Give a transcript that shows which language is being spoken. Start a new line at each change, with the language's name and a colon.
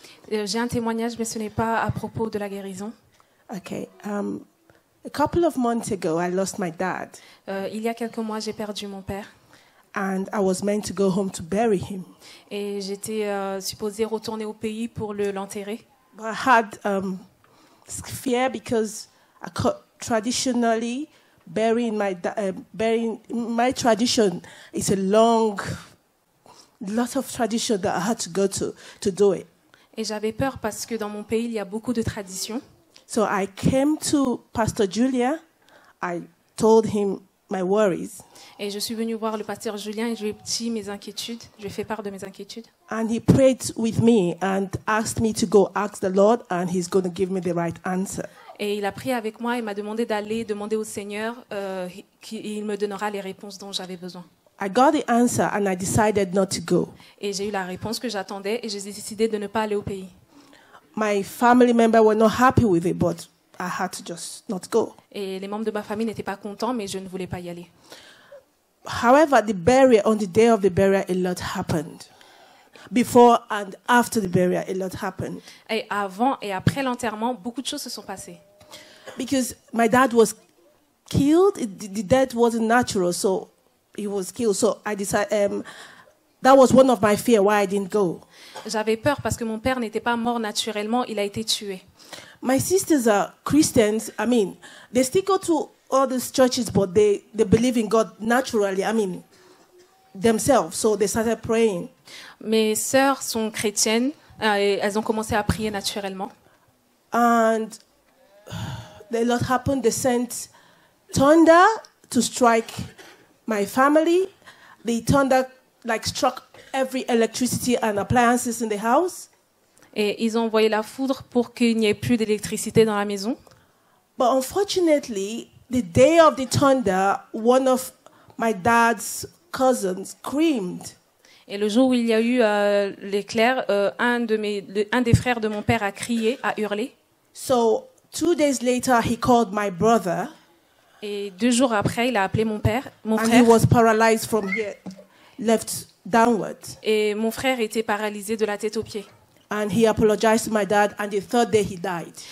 French: J'ai un témoignage, mais ce n'est pas à propos de la guérison.
English: Okay. A couple of months ago, I lost my dad.
French: Il y a quelques mois, j'ai perdu mon père.
English: And I was meant to go home to bury him.
French: Et j'étais supposée retourner au pays pour l'enterrer.
English: But I had fear because traditionally burying my tradition is a long, lot of tradition that I had to go to do it.
French: Et j'avais peur parce que dans mon pays il y a beaucoup de traditions.
English: So I came to Pastor Julia. I told him my worries.
French: Et je suis venue voir le pasteur Julien et je lui ai dit mes inquiétudes. Je lui ai fait part de mes inquiétudes.
English: And he prayed with me and asked me to go ask the Lord and he's going to give me the right answer.
French: Et il a prié avec moi et m'a demandé d'aller demander au Seigneur qu'il me donnera les réponses dont j'avais besoin.
English: I got the answer and I decided not to go.
French: Et j'ai eu la réponse que j'attendais et j'ai décidé de ne pas aller au pays.
English: My family members were not happy with it, but I had to just not go.
French: Et les membres de ma famille n'étaient pas contents, mais je ne voulais pas y aller.
English: However, the burial, on the day of the burial, a lot happened. Before and after the burial, a lot happened.
French: Et avant et après l'enterrement, beaucoup de choses se sont passées.
English: Because my dad was killed, the death wasn't natural, so he was killed. So I decided, that was one of my fears why I didn't go.
French: J'avais peur parce que mon père n'était pas mort naturellement, il a été tué.
English: My sisters are Christians, I mean, they still go to all these churches, but they believe in God naturally, I mean, themselves, so they started praying.
French: Mes sœurs sont chrétiennes, et elles ont commencé à prier naturellement.
English: And a lot happened, they sent thunder to strike my family. The thunder like struck every electricity and appliances in the house.
French: Et ils ont envoyé la foudre pour qu'il n'y ait plus d'électricité dans la maison.
English: But unfortunately, the day of the thunder, one of my dad's cousins screamed.
French: Et le jour où il y a eu l'éclair, un des frères de mon père a crié, a hurlé.
English: So 2 days later, he called my brother.
French: Et 2 jours après, il a appelé mon père,
English: And he was paralyzed from here, left downward.
French: Et mon frère était paralysé de la tête aux pieds.
English: And he apologized to my dad, and the 3rd day he died.